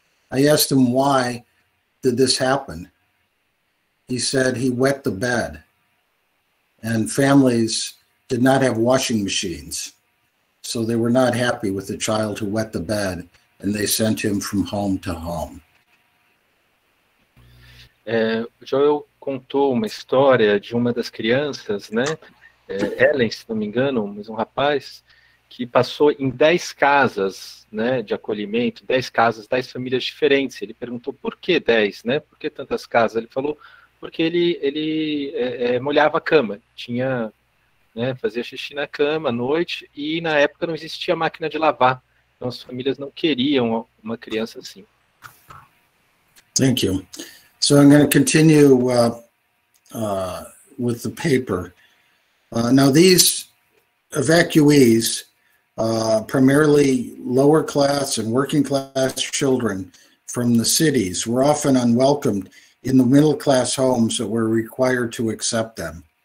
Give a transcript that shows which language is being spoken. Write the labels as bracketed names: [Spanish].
[English] I asked him, why did this happen? He said he wet the bed and families did not have washing machines. So they were not happy with the child who wet the bed and they sent him from home to home. [Portuguese] Joel contou uma história de uma das crianças, né? Ellen, se não me engano, mas um rapaz que passou em 10 casas, né, de acolhimento, 10 casas, 10 famílias diferentes. Ele perguntou por que 10, né? Por que tantas casas? Ele falou porque ele molhava a cama, tinha, né, fazia xixi na cama à noite e na época não existia máquina de lavar. Então as famílias não queriam uma criança assim. [English] Thank you. So I'm going to continue with the paper. Now these evacuees, primarily lower class and working class children from the cities, were often unwelcomed in the middle class homes that were required to accept them.